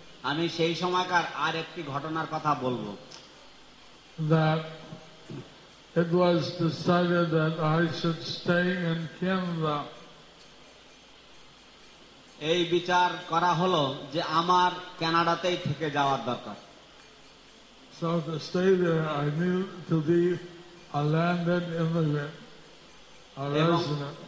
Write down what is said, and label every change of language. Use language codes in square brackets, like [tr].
[bn] আমি সেই সময়কার আর একটি ঘটনার কথা বলবো। [en] That it was decided that I should stay in Canada. [bn] এই বিচার করা হলো যে আমার কানাডাতেই থেকে যাওয়ার দরকার। [en] So to stay there I knew to be a landed immigrant, a resident.